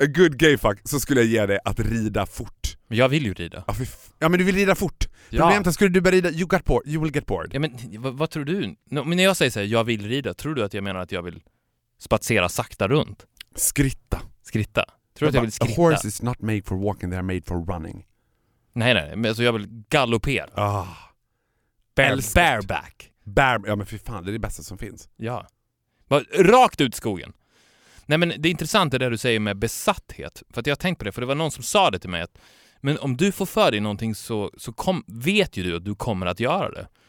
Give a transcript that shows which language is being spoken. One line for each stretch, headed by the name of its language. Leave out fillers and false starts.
English: A good gay fuck,
Swedish: så skulle jag ge dig att rida fort. Men jag vill ju rida. Ja, men du vill rida fort. Ja. Problemet är, skulle du börja rida,
English: you got bored. You will get bored.
Swedish: Ja, men vad tror du? Men när jag säger så här, jag vill rida, tror du att jag menar att jag vill spatsera sakta runt? Skritta. Skritta. Tror du att jag vill skritta?
English: A horse is not made for walking, they are made for running.
Swedish: Nej, men alltså jag vill galoppera. Ah.
English: Bareback.
Swedish: Ja, men fy fan, det är det bästa som finns. Ja. Rakt ut skogen. Nej, men det intressanta är det du säger med besatthet. För att jag har tänkt på det, för det var någon som sa det till mig. Att, men om du får för dig någonting så vet ju du att du kommer att göra det.